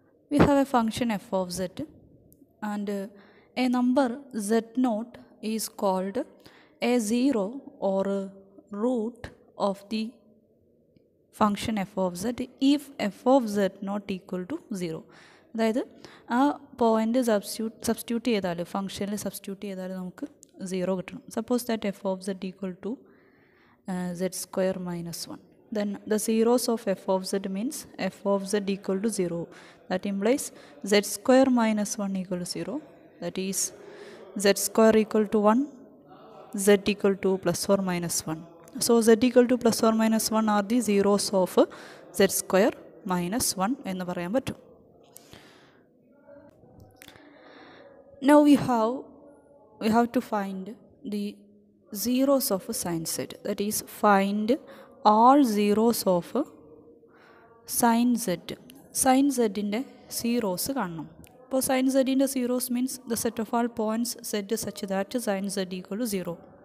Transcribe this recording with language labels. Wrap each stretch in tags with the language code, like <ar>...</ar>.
<en>We have a function f of z and a number z naught is called a zero or root of the function f of z if f of z not equal to zero.</en> <ml>അതായത് ആ point substitute ചെയ്താൽ, ഫംഗ്ഷനിൽ substitute ചെയ്താൽ നമുക്ക് zero കിട്ടണം.</ml> <en>Suppose that F of Z equal to Z square minus one, then the zeros of F of Z means F of Z equal to zero. That implies Z square minus one equal to zero. That is Z square equal to one, Z equal to plus or minus one. So Z equal to plus or minus one are the zeros of z square minus one</en> <ml>എന്ന് പറയാൻ പറ്റും.</ml> <en>Now we have to find the zeros of a sine z. That is, find all zeros of sine z. Sine z</en> <ml>inde zeros kaanam. Appo</ml> <en>sine z inde zeros means the set of all points z such that sine z equal to zero.</en>